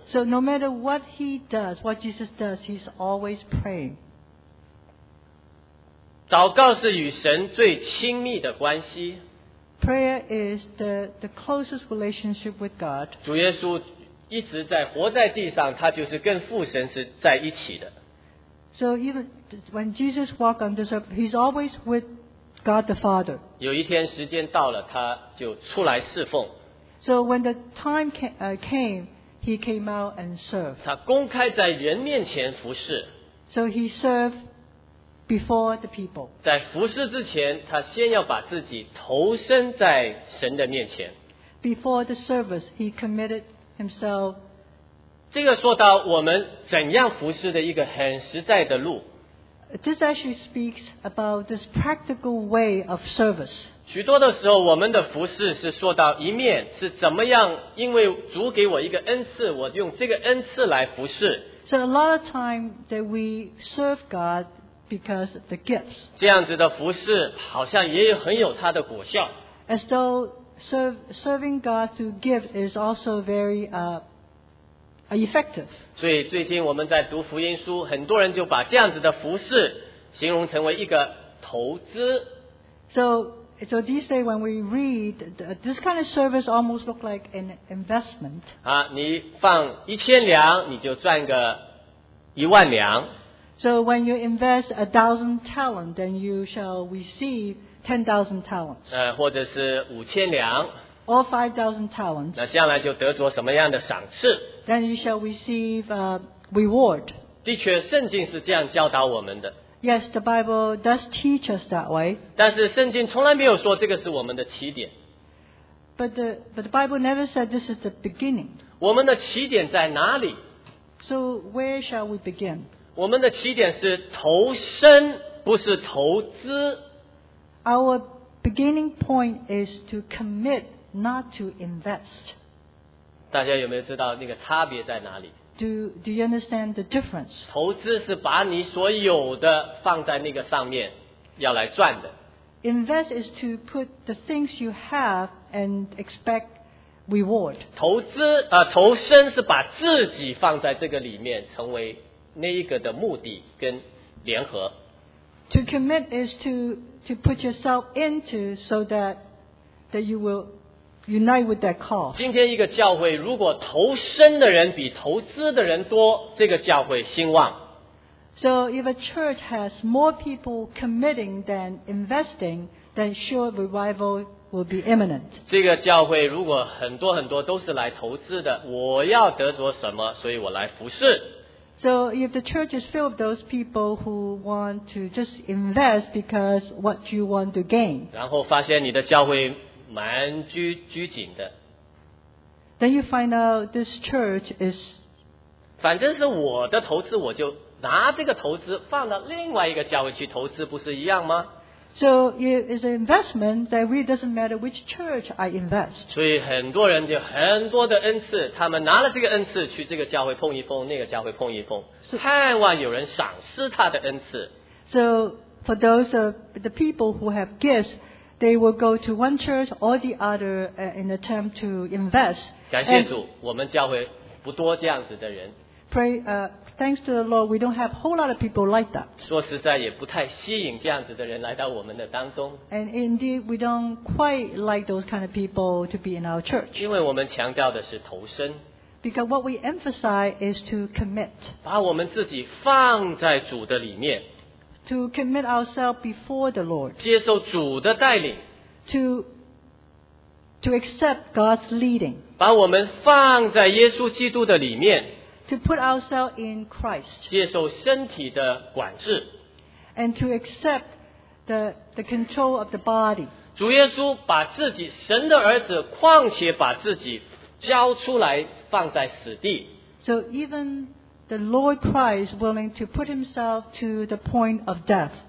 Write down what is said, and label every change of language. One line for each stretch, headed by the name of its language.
English: So no matter what he does, what Jesus does, he's always praying.
Chinese: 祷告是与神最亲密的关系。
English: Prayer is the closest relationship with God.
Chinese: 主耶稣一直在活在地上，他就是跟父神是在一起的。
English: So even when Jesus walked on this earth, he's always with God the Father.
Chinese: 有一天时间到了，他就出来侍奉。
English: So when the time came, he came out and served.
Chinese: 他公开在人面前服侍。
English: So he served before the people.
Chinese: 在服侍之前，他先要把自己投身在神的面前。
English: Before the service, he committed himself.
Chinese: 这个说到我们怎样服侍的一个很实在的路。
English: This actually speaks about this practical way of service.
Chinese: 许多的时候我们的服侍是说到一面是怎么样因为主给我一个恩赐我用这个恩赐来服侍。
English: So a lot of time that we serve God because of the gifts.
Chinese: 这样子的服侍好像也很有它的果效。
English: As though serving God through gift is also very effective.
Chinese: 所以最近我们在读福音书，很多人就把这样子的服事形容成为一个投资。
English: So these days when we read this kind of service, almost look like an investment.
Chinese: 啊，你放一千两，你就赚个一万两。
English: So when you invest 1,000 talents, then you shall receive 10,000 talents.
Chinese: 或者是五千两。
English: Or 5,000 talents.
Chinese: 那将来就得着什么样的赏赐？
English: Then you shall receive a reward.
Chinese: 的确，圣经是这样教导我们的。
English: Yes, the Bible does teach us that way.
Chinese: 但是圣经从来没有说这个是我们的起点。
English: But the Bible never said this is the beginning.
Chinese: 我们的起点在哪里？
English: So where shall we begin?
Chinese: 我们的起点是投身，不是投资。
English: Our beginning point is to commit, not to invest.
Chinese: 大家有没有知道那个差别在哪里？
English: Do you understand the difference?
Chinese: 投资是把你所有的放在那个上面，要来赚的。
English: Invest is to put the things you have and expect reward.
Chinese: 投身是把自己放在这个里面，成为那一个的目的跟联合。
English: To commit is to put yourself into so that you will. Unite with that cause.
Chinese: 今天一个教会如果投身的人比投资的人多，这个教会兴旺。
English: So if a church has more people committing than investing, then sure revival will be imminent.
Chinese: 这个教会如果很多很多都是来投资的，我要得着什么，所以我来服侍。
English: So if the church is filled with those people who want to just invest because what you want to gain.
Chinese: 然后发现你的教会蛮拘谨的。
English: Then you find out this church is.
Chinese: 反正是我的投资，我就拿这个投资放到另外一个教会去投资，不是一样吗
English: ？So it is an investment that really doesn't matter which church I invest.
Chinese: 所以很多人就很多的恩赐，他们拿了这个恩赐去这个教会碰一碰，那个教会碰一碰，盼望有人赏赐他的恩赐。
English: So for those of the people who have gifts. They will go to one church or the other in attempt to invest.
Chinese: 感谢主，我们教会不多这样子的人。
English: Pray, thanks to the Lord, we don't have a whole lot of people like that.
Chinese: 说实在，也不太吸引这样子的人来到我们的当中。
English: And indeed, we don't quite like those kind of people to be in our church.
Chinese: 因为我们强调的是投身。
English: Because what we emphasize is to commit.
Chinese: 把我们自己放在主的里面。
English: To commit ourselves before the Lord.
Chinese: 接受主的带领。
English: To accept God's leading.
Chinese: 把我们放在耶稣基督的里面。
English: To put ourselves in Christ.
Chinese: 接受身体的管制。
English: And to accept the control of the body.
Chinese: 主耶稣把自己，神的儿子，况且把自己交出来，放在死地。
English: So even... The Lord Christ willing to put himself to the point of death.